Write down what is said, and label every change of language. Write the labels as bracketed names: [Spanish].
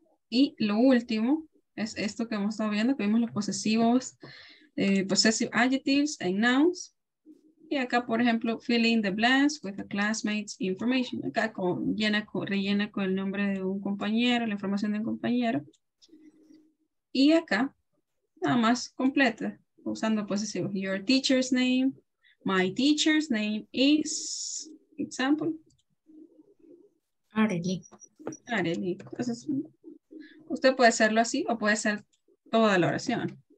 [Spanish] Y lo último es esto que hemos estado viendo, que vimos los posesivos, [English] possessive adjectives and nouns. [Spanish] Y acá, por ejemplo, [English] fill in the blanks with a classmate's information. [Spanish] Acá rellena con el nombre de un compañero, la información de un compañero. Y acá, nada más completa, usando posesivos. [English] Your teacher's name, my teacher's name is, example. Arely. [Spanish] Entonces, usted puede hacerlo así o puede hacer toda la oración.